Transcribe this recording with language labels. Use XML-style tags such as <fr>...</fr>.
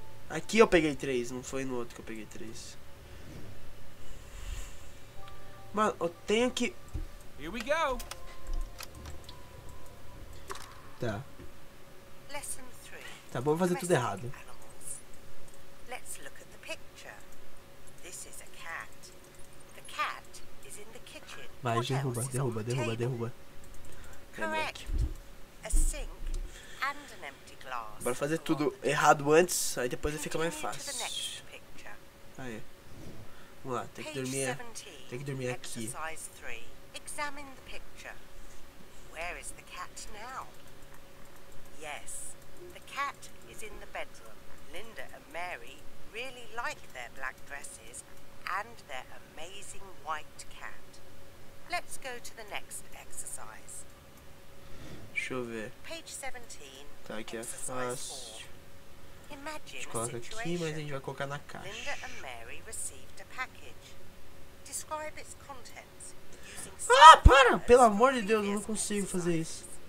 <pt>Aqui eu peguei 3, não foi no outro que eu peguei 3. Mano, eu tenho que...</pt> <en>Here we go.</en> <pt>Tá.</pt> <en>Lesson 3.</en> <pt>Tá bom, vou fazer tudo errado.</pt> <en>Let's look at the picture. This is a cat. The cat is in the kitchen.</en> <pt>Vai, derruba, derruba, derruba, derruba.</pt> <en>Correct. A sink and an empty glass.</en> <pt>Bora fazer tudo errado antes, aí depois fica mais fácil. Aí. Vamos lá, tem que dormir aqui.</pt> <en>Examine the picture. Where is the cat now? Yes, the cat is in the bedroom. Linda and Mary really like their black dresses and their amazing white cat. Let's go to the next exercise.</en> <pt>Deixa eu ver.</pt> <en>Page 17.</en> <pt>Tá, aqui é fácil.</pt> <en>Imagine a situation.</en> <pt>Mas a gente vai colocar na caixa.</pt> <en>Linda and Mary received a package. Describe its contents.</en> <pt>Ah, para! Pelo amor de Deus, eu não consigo fazer isso.</pt>